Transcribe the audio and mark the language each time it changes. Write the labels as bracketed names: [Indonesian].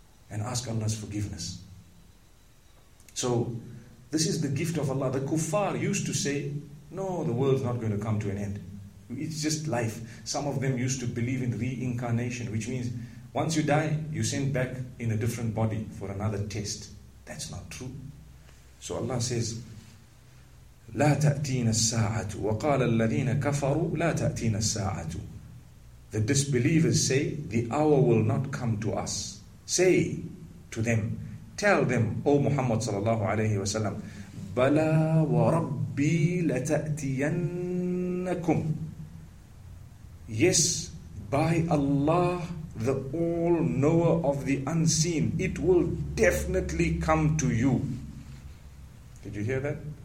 [English] And ask Allah's forgiveness. So, this is the gift of Allah. The kuffar used to say, no, the world's not going to come to an end. It's just life. Some of them used to believe in reincarnation, which means once you die, you send back in a different body for another test. That's not true. So Allah says, [Arabic] لَا تَأْتِينَ السَّاعَةُ وَقَالَ الَّذِينَ كَفَرُوا لَا تَأْتِينَ السَّاعَةُ. [English] The disbelievers say, the hour will not come to us. Say to them, tell them, O Muhammad sallallahu alayhi wa sallam, [Arabic] بَلَا وَرَبِّي لَتَأْتِيَنَّكُمْ. [English] Yes, by Allah, the all-knower of the unseen, it will definitely come to you. Did you hear that?